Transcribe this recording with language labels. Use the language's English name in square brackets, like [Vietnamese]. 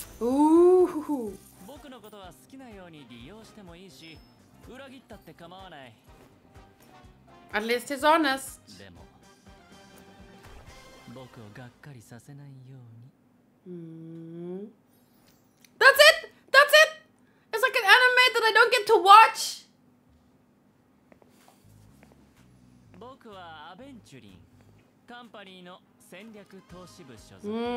[Japanese] 僕のことは好きなように利用してもいいし、裏切ったって構わない。 [English] At least he's honest. [Japanese] でも、僕をがっかりさせないように。 [English] That's it! That's it! It's like an anime that I don't get to watch! [Japanese] 僕はアベンチュリン、カンパニーの戦略投資部所属。